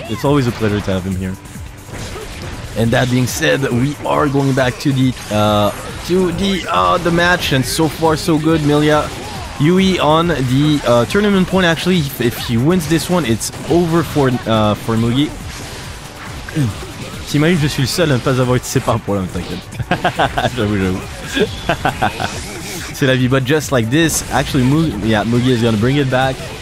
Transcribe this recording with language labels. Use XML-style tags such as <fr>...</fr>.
<en>It's always a pleasure to have him here. And that being said, we are going back to the match, and so far so good. Millia, Yuuhi on the tournament point. Actually, if he wins this one, it's over for Mugi.</en> <fr>T'imagines, je suis le seul à ne pas avoir été séparé pour l'homme, t'inquiète. J'avoue.</fr> <en>C'est la vie, but just like this, actually, Mugi is gonna bring it back.</en>